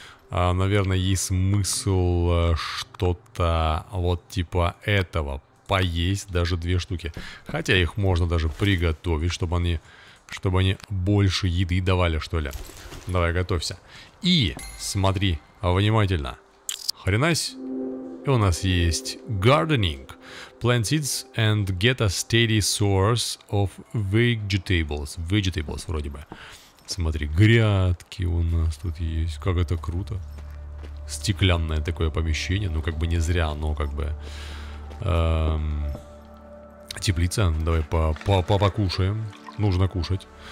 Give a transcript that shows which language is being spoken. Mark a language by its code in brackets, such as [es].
[ru] А, наверное, есть смысл что-то вот типа этого поесть, даже 2 штуки. Хотя их можно даже приготовить, чтобы они больше еды давали, что ли. Давай, готовься. И смотри внимательно. Хренась. И у нас есть gardening. [en] Plant seeds and get a steady source of vegetables. [ru] Vegetables вроде бы. Смотри, грядки у нас тут есть. Как это круто. Стеклянное такое помещение. Ну как бы не зря, но как бы... теплица. Давай покушаем. Нужно кушать.